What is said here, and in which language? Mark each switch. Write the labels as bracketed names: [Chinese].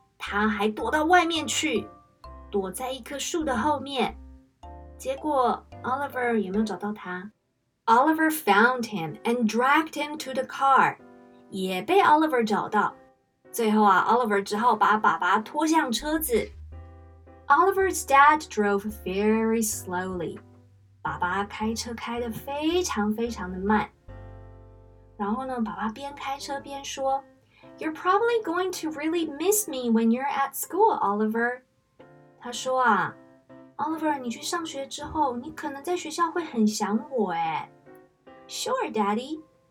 [Chinese] 他还躲到外面去，躲在一棵树的后面。结果 Oliver 有没有找到他？ [English] Oliver found him and dragged him to the car. [Chinese] 也被 Oliver 找到。最后啊， Oliver 只好把爸爸拖向车子。 [English] Oliver's dad drove very slowly. [Chinese] 爸爸开车开得非常非常的慢。然后呢，爸爸边开车边说， [English] You're probably going to really miss me when you're at school, Oliver. [Chinese] 他说啊， Oliver, 你去上学之后，你可能在学校会很想我耶。 [English] Sure, Daddy.